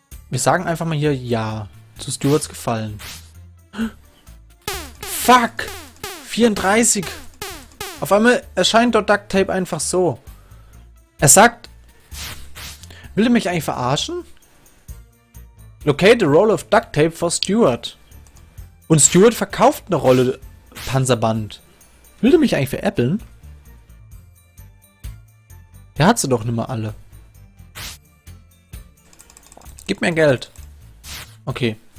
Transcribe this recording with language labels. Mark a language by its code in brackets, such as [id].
[de] Wir sagen einfach mal hier ja. Zu Stewards Gefallen. Fuck! 34! Auf einmal erscheint dort Duct Tape einfach so. Er sagt, will er mich eigentlich verarschen? [en] Locate the roll of duct tape for Stewart. [de] Und Stewart verkauft eine Rolle Panzerband. Will er mich eigentlich veräppeln? Der hat sie doch nicht mehr alle. Gib mir Geld. Okay.